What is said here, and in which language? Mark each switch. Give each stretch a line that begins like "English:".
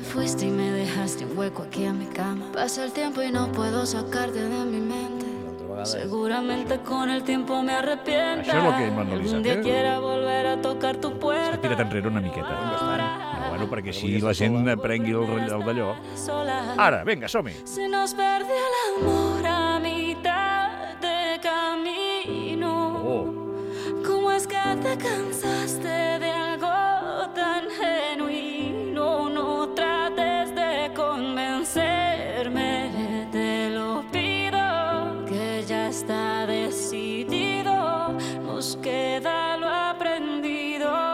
Spanish: Te fuiste y me dejaste un hueco aquí a mi cama. Pasa el tiempo y no puedo sacarte de mi mente. Seguramente con el tiempo me arrepienta.
Catalan: Això és el que hem analitzat,
Spanish: eh? Un dia quiera volver a tocar tu puerta.
Catalan: Tira't enrere una miqueta. Bastant. No, bueno, perquè així la gent aprengui el d'allò. Ara, vinga, som-hi.
Spanish: Se nos perde el amor a mitad de camino. ¿Cómo es que te cansaste de algo tan genuino? No trates de convencerme, te lo pido, que ya está decidido, nos queda lo aprendido.